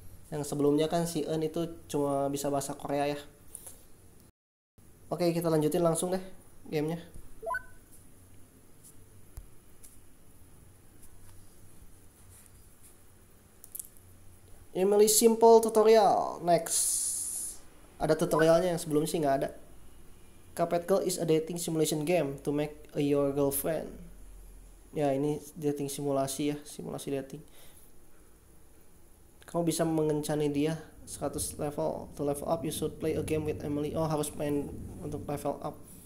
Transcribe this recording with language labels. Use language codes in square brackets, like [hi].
[id] Yang sebelumnya kan si En itu cuma bisa bahasa Korea ya. Oke, kita lanjutin langsung deh gamenya. Emily Simple Tutorial, next. Ada tutorialnya yang sebelum sih nggak ada. [en] Cuphead Girl is a dating simulation game to make a your girlfriend. [id] Ya ini dating simulasi ya, simulasi dating. Kamu bisa mengencani dia 100 level. [en] To level up, you should play a game with Emily. [id] Oh harus main untuk level up.